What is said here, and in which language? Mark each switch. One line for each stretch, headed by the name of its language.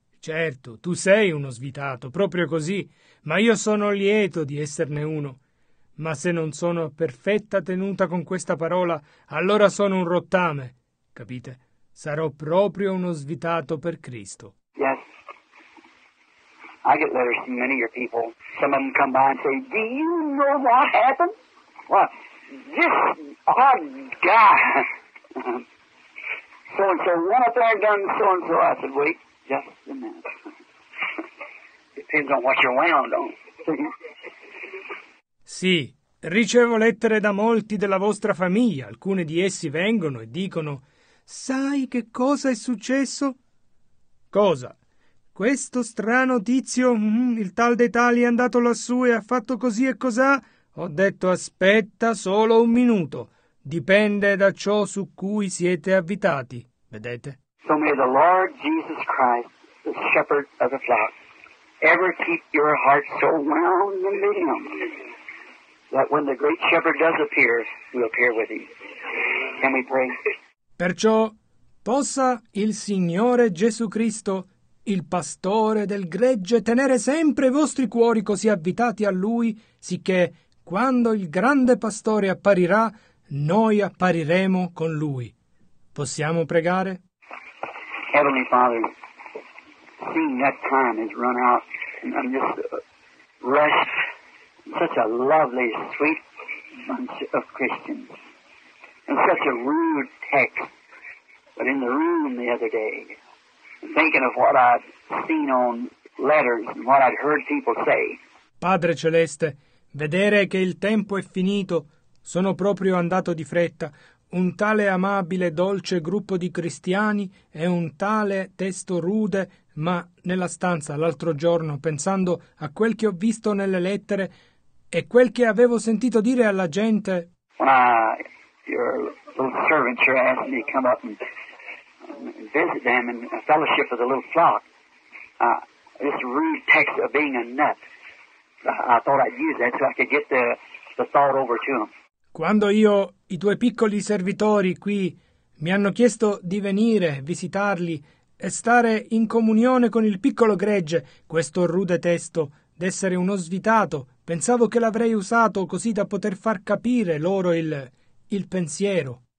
Italian: Certo, tu sei uno svitato, proprio così, ma io sono lieto di esserne uno. Ma se non sono perfetta tenuta con questa parola, allora sono un rottame, capite? Sarò proprio uno svitato per Cristo.
English: Yes. I get letters from many of your people. Some of them come by and say, do you know what happened? What? This odd guy. So-and-so went up there and done so-and-so. I said, wait just a minute. Depends on what you're wound on.
Italian: Sì. Ricevo lettere da molti della vostra famiglia. Alcune di essi vengono e dicono, sai che cosa è successo? Cosa? Questo strano tizio, il tal dei tali, è andato lassù e ha fatto così e cos'ha? Ho detto, aspetta solo un minuto. Dipende da ciò su cui siete avvitati, vedete?
English: So may the Lord Jesus Christ, the shepherd of the flock, ever keep your heart so wound and bound that when the great shepherd does appear, we'll appear with him. Can we pray?
Italian: Perciò, possa il Signore Gesù Cristo, il pastore del gregge, tenere sempre i vostri cuori così avvitati a lui, sicché quando il grande pastore apparirà, noi appariremo con lui. Possiamo pregare?
English: Heavenly Father, seeing that time has run out, and I'm just rushed, such a lovely, sweet bunch of Christians, and such a rude text, but in the room the other day, thinking of what I'd seen on letters and what I'd heard people say.
Italian: Padre Celeste, vedere che il tempo è finito, sono proprio andato di fretta. Un tale amabile, dolce gruppo di cristiani e un tale testo rude, ma nella stanza l'altro giorno, pensando a quel che ho visto nelle lettere e quel che avevo sentito dire alla gente.
English: When your little servant here asked me to come up and visit them in a fellowship of the little flock. This rude text of being a nut. I thought I'd use that so I could get the thought over to them.
Italian: Quando io, i tuoi piccoli servitori qui, mi hanno chiesto di venire, visitarli, e stare in comunione con il piccolo gregge, questo rude testo, d'essere uno svitato, pensavo che l'avrei usato così da poter far capire loro il pensiero.